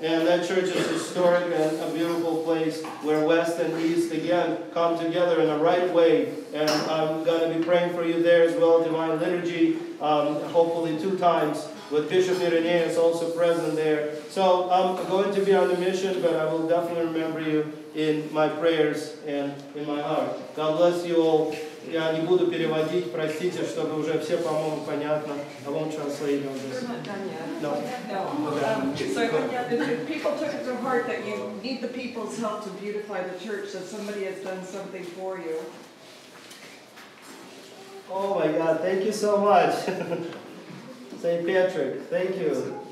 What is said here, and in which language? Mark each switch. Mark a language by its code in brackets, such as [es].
[en] And that church is historic and a beautiful place where West and East again come together in the right way. And I'm going to be praying for you there as well, Divine Liturgy, hopefully 2 times, with Bishop Irenaeus also present there. So I'm going to be on the mission, but I will definitely remember you in my prayers and in my heart. God bless you all. [ru] Я не буду переводить, простите, чтобы уже все, по-моему, понятно. А вам [en] translate. We're not done yet. No. People took it to heart that you need the people's help to beautify the church, that somebody has done something for you. Oh my God, thank you so much. St. Patrick, thank you.